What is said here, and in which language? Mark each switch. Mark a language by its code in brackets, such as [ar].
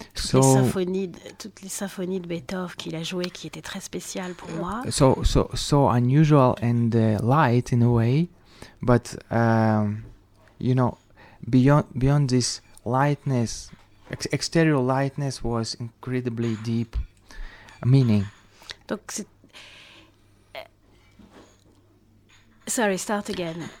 [fr] toutes les symphonies de Beethoven qu'il a joué qui étaient très spéciales pour moi [en] so unusual and light in a way but you know beyond this lightness exterior lightness was incredibly deep meaning [fr] donc c'est [en] sorry, start again.